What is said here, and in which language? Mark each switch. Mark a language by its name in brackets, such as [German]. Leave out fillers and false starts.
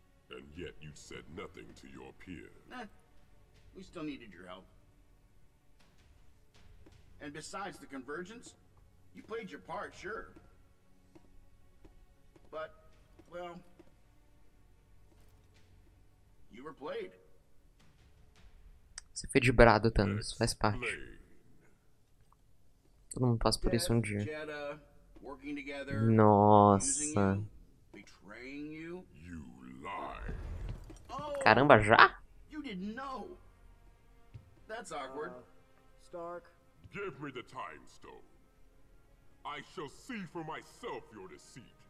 [English] And yet you said nothing to your peer. We still needed your help. And besides the convergence, you played your part, sure. But, well, you were played. [Portuguese] Você foi debrado, Thanos. Faz parte. Todo mundo passa por isso um dia. [English] Jedha, working together. [Portuguese] Nossa. [English] Betraying you. You lied. [Portuguese] Caramba, já? [English] You didn't know. That's awkward. Stark. Give me the Time Stone. I shall see for myself your deceit.